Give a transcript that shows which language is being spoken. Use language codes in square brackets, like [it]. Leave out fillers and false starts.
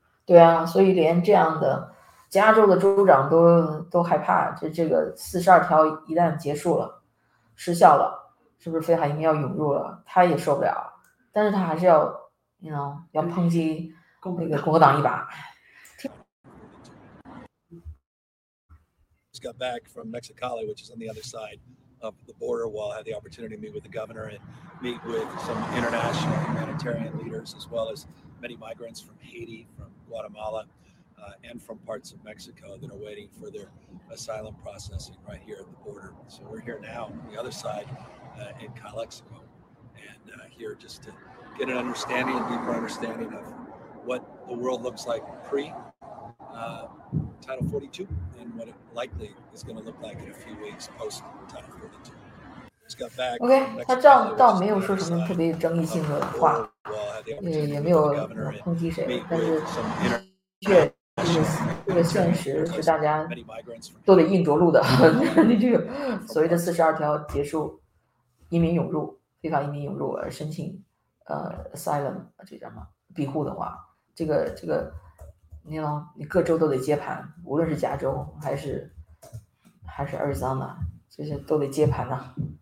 [zh] 对啊，所以连这样的加州的州长都害怕，就这个42条一旦结束了失效了，是不是非法移民要涌入了，他也受不了，但是他还是要 [en] you know, [zh] 要抨击那个共和党一把。 [en] Got back from Mexicali, which is on the other side of the border wall. I had the opportunity to meet with the governor and meet with some international humanitarian leaders, as well as many migrants from Haiti, from Guatemala, and from parts of Mexico that are waiting for their asylum processing right here at the border. So we're here now on the other side in Calexico, and here just to get an understanding, a deeper understanding of what the world looks like pre-Title 42, and what it likely is going to look like in a few weeks post-Title 42. [zh] OK, 他这样倒没有说什么特别争议性的话，也没有抨击谁，但是确实这个现实是大家都得硬着陆的。那句所谓的42条结束移民涌入，非法移民涌入而申请asylum 这叫什么庇护的话，这个你各州都得接盘，无论是加州还是 Arizona, 这些都得接盘啊。